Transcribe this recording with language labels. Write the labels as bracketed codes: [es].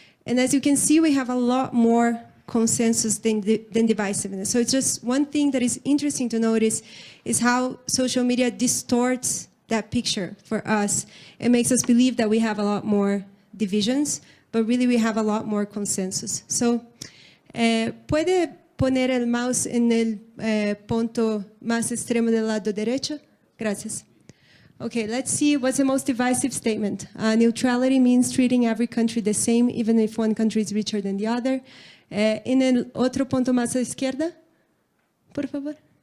[en] And as you can see, we have a lot more consensus than divisiveness. So it's just one thing that is interesting to notice is how social media distorts that picture for us. It makes us believe that we have a lot more divisions, but really we have a lot more consensus. [es] So, ¿puede poner el mouse en el punto más extremo del lado derecho? Gracias. [en] Okay, let's see what's the most divisive statement. Neutrality means treating every country the same, even if one country is richer than the other. [es] En el otro punto más a la izquierda, por favor.